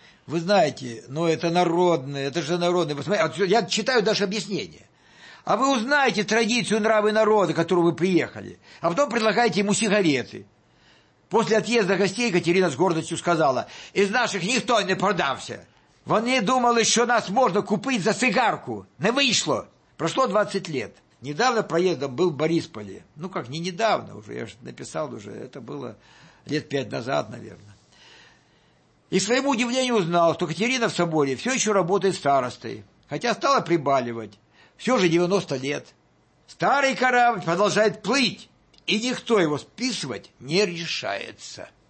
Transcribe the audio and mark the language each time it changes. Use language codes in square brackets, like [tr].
[ru] Вы знаете, ну это народное, это же народное. Посмотрите, я читаю даже объяснение. А вы узнаете традицию нравы народа, к которому вы приехали, а потом предлагаете ему сигареты. После отъезда гостей Екатерина с гордостью сказала, «Из наших никто не продався! [uk] Вони думали, що нас можна купити за цигарку! Не вийшло!» Прошло 20 лет. [ru] Недавно проездом был в Борисполе. Ну как, не недавно уже, я же написал уже, это было лет 5 назад, наверное. И к своему удивлению узнал, что Катерина в соборе все еще работает старостой. Хотя стала прибаливать. Все же 90 лет. Старый корабль продолжает плыть, и никто его списывать не решается.